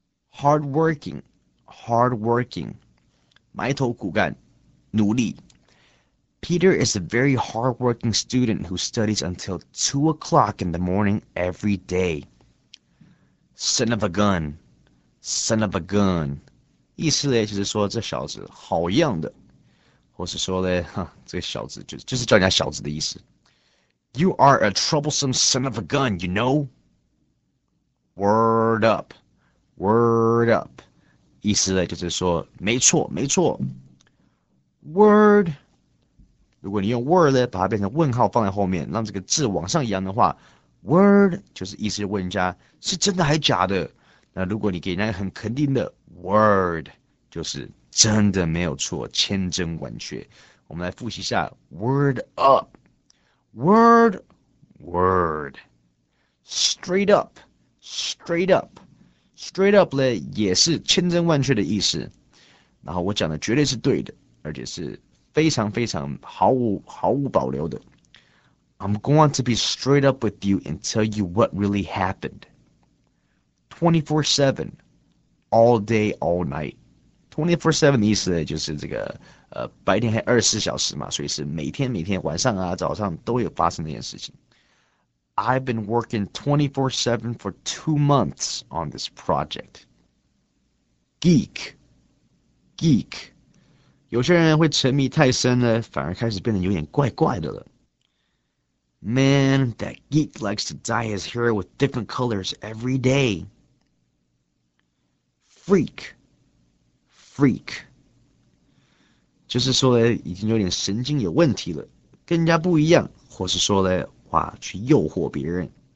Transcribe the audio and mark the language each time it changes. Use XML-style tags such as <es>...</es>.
<en>Hard working, hard working.</en> <zh>埋头苦干，努力。</zh> <en>Peter is a very hard working student who studies until 2 o'clock in the morning every day. Son of a gun, son of a gun.</en> <zh>意思呢，就是说这小子好样的。或是说嘞，哈，这个小子就是叫人家小子的意思。</zh> <en>You are a troublesome son of a gun, you know? Word up, word up.</en> <zh>意思嘞就是说，没错，没错。 Word, 如果你用 word 嘞，把它变成问号放在后面，让这个字往上扬的话 ，word 就是意思问人家是真的还假的。那如果你给人家很肯定的 word， 就是。真的没有错，千真万确。我们来复习一下 ，word up，word，word， straight up，straight up，straight up 呢也是千真万确的意思。然后我讲的绝对是对的，而且是非常非常毫无保留的。</zh> <en>I'm going to be straight up with you and tell you what really happened. 24/7, all day, all night.</en> <zh>24/7的意思就是这个白天还24小时嘛，所以是每天每天晚上啊早上都有发生这件事情。</zh> <en>I've been working 24/7 for 2 months on this project. Geek, geek.</en> <zh>有些人会沉迷太深呢，反而开始变得有点怪怪的了。</zh> <en>Man, that geek likes to dye his hair with different colors every day. Freak.</en> <zh>Freak， 就是说呢，已经有点神经有问题了，跟人家不一样，或是说呢，哇，去诱惑别人。</zh>